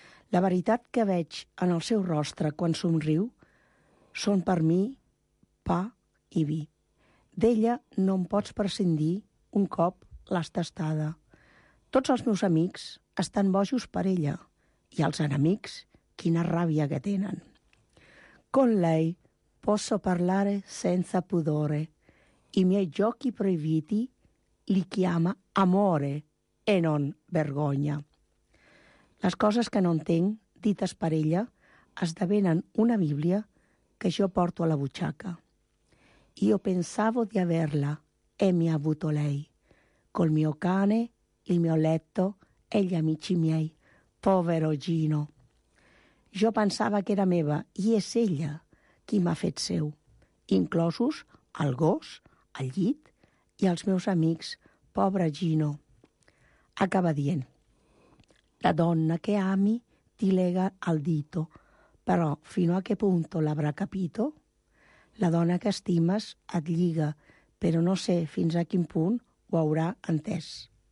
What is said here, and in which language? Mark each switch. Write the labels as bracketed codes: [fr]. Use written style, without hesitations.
[ca] La veritat que veig en el seu rostre quan somriu són per mi pa i vi. D'ella no em pots prescindir un cop l'has tastada. Tots els meus amics estan bojos per ella i els enemics quina ràbia que tenen. [it] Con lei posso parlare senza pudore. I miei giochi proibiti li chiama amore e non vergogna. [ca] Les coses que no entenc, dites per ella, esdevenen una Bíblia que jo porto a la butxaca. [it] Io pensavo di averla e mi ha avuto lei. Col mio cane, il mio letto e gli amici miei. Povero Gino. [ca] Jo pensava que era meva i és ella qui m'ha fet seu, inclosos el gos, el llit i els meus amics. Pobre Gino. Acaba dient. [it] La donna que ami ti lega al dito, però fino a che punto l'avrà capito? [ca] La donna que estimes et lliga, però no sé fins a quin punt ho haurà entès.